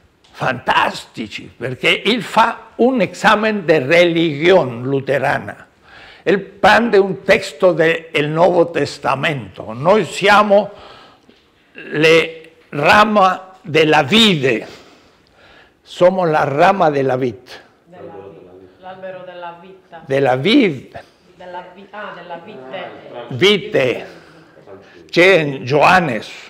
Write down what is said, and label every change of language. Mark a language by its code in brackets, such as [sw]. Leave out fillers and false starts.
[it] Fantastici, perché il fa un esame di religione luterana. [es] Él prende un texto del Nuevo Testamento. [it] Noi siamo le rama de la vide. [es] Somos la rama de la vid. [it] L'albero della vita. [es] De la vid. [it] Della vite. Vite. C'è in Johannes.